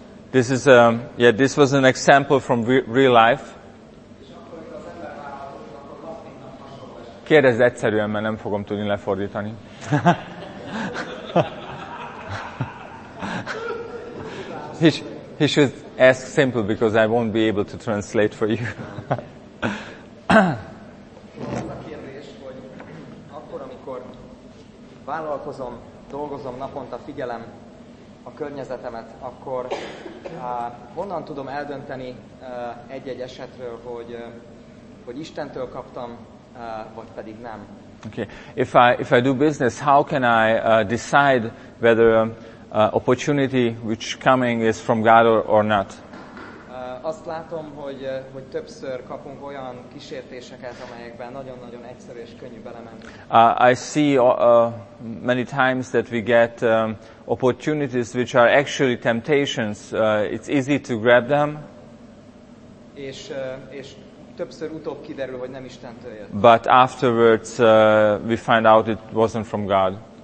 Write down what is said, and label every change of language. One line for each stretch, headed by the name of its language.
English: This is this was an example from real life.
Hungarian: Kérdezz egyszerűen, mert nem fogom tudni lefordítani.
English: he should ask simple because I won't be able to translate for you.
Hungarian: A kérdés, hogy akkor, amikor vállalkozom, dolgozom naponta, figyelem a környezetemet, akkor honnan tudom eldönteni egy-egy esetről, hogy Istentől kaptam, vagy pedig nem.
English: Okay. If I do business, how can I decide whether opportunity which coming is from God or not?
Hungarian: Azt látom, hogy többször kapunk olyan kísértéseket, amelyekben nagyon-nagyon egyszerű és könnyű belemenni.
English: I see many times that we get opportunities which are actually temptations. It's easy to grab them.
Hungarian: És többször utóbb kiderül, hogy nem Istentől jött.
English: But afterwards we find out it wasn't from God.